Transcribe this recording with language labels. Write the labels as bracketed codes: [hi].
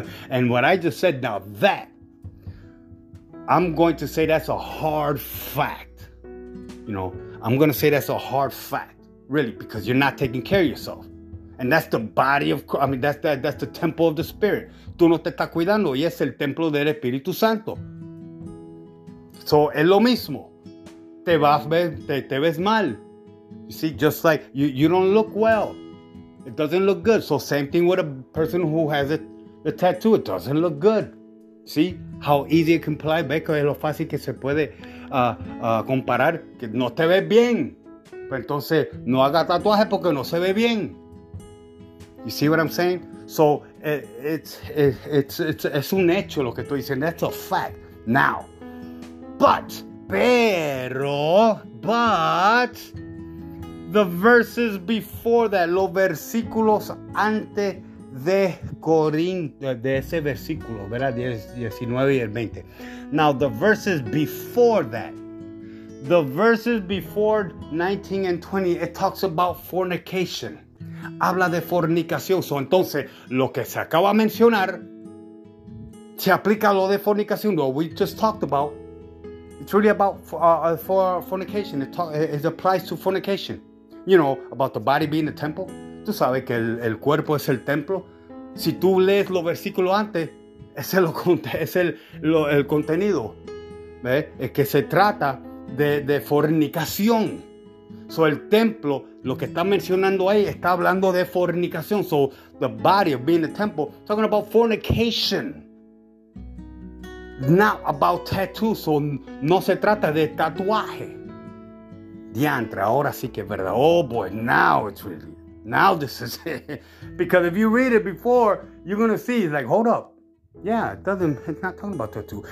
[en] And what I just said, now that, I'm going to say that's a hard fact. You know, I'm going to say that's a hard fact, really, because you're not taking care of yourself. And that's the body of Christ. I mean, that's the temple of the Spirit. [es] Tú no te estás cuidando y es el templo del Espíritu Santo. So, es lo mismo. Te vas a ver, te ves mal. [en] You see, just like, you don't look well. It doesn't look good. So, same thing with a person who has it. The tattoo, it doesn't look good. See how easy it can apply. [es] Ve que es lo fácil que se puede comparar. Que no te ves bien. Pero entonces, no haga tatuaje porque no se ve bien. [en] You see what I'm saying? So, it's [es] un hecho lo que estoy diciendo. [en] That's a fact. Now, but, the verses before that, [es] los versículos antes de Corinto, de ese versículo, ¿verdad? 19 y el 20. [en] Now, the verses before that, the verses before 19 and 20, it talks about fornication. [es] Habla de fornicación. So, entonces, lo que se acaba de mencionar, se aplica a lo de fornicación. [en] What we just talked about, it's really about for fornication. It applies to fornication. You know, about the body being the temple. [es] Tú sabes que el cuerpo es el templo. Si tú lees los versículos antes, ese es el contenido, ¿ves? Es que se trata de fornicación. So, el templo, lo que está mencionando ahí, está hablando de fornicación. [en] So, the body of being the temple, talking about fornication. Not about tattoos. So, [es] no se trata de tatuaje. Diantre, ahora sí que es verdad. [en] Oh, boy, now it's really... Now this is it. Because if you read it before, you're going to see, like, hold up. Yeah, it doesn't. It's not talking about tattoo.